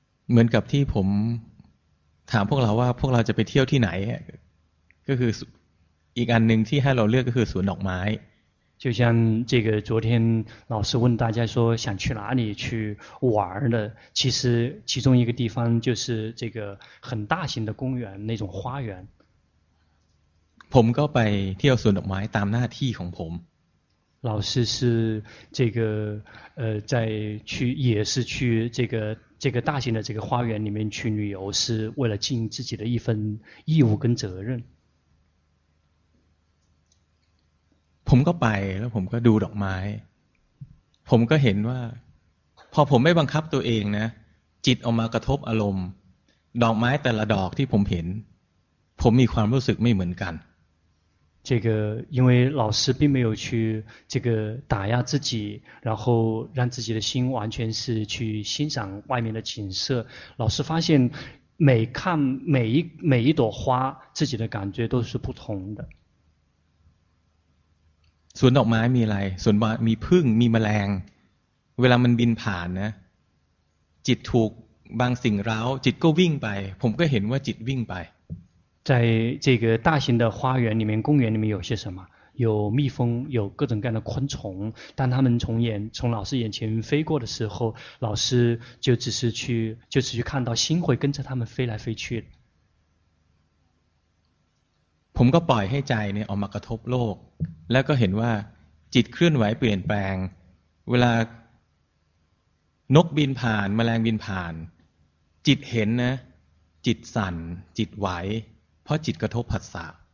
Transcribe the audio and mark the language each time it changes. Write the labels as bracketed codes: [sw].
[th] เหมือนกับที่ผมถามพวกเราว่าพวกเราจะไปเที่ยวที่ไหนก็คืออีกอันหนึ่งที่ให้เราเลือกก็คือสวนดอกไม้ [zh] 就像这个昨天老师问大家说想去哪里去玩的其实其中一个地方就是这个很大型的公园那种花园 [th] ผมก็ไปเที่ยวสวนดอกไม้ตามหน้าที่ของผม [zh] 老师是这个在去也是去这个这个大型的这个花园里面去旅游是为了尽自己的一份义务跟责任 [th] ผมก็ไปแล้วผมก็ดูดอกไม้ผมก็เห็นว่าพอผมไม่บังคับตัวเองนะจิตออกมากระทบอารมณ์ดอกไม้แต่ละดอกที่ผมเห็นผมมีความรู้สึกไม่เหมือนกัน [zh] 这个因为老师并没有去这个打压自己然后让自己的心完全是去欣赏外面的景色老师发现每看每一朵花自己的感觉都是不同的 [th] สวนดอกไม้มีอะไรสวนดอกไม้มีผึ้งมีแมลงเวลามันบินผ่านนะจิตถูกบางสิ่งร้าวจิตก็วิ่งไปผมก็เห็นว่าจิตวิ่งไป [zh] 在这个大型的花园里面公园里面有些什么有蜜蜂有各种各样的昆虫当他们从老师眼前飞过的时候老师就只是去看到心会跟着他们飞来飞去 [th] ผมก็ปล่อยให้ใจเนี่ยออกมากระทบโลกแล้วก็เห็นว่าจิตเคลื่อนไหวเปลี่ยนแปลงเวลานกบินผ่านแมลงบินผ่านจิตเห็นนะจิตสั่นจิตไหวเพราะจิตกระทบผัสสะ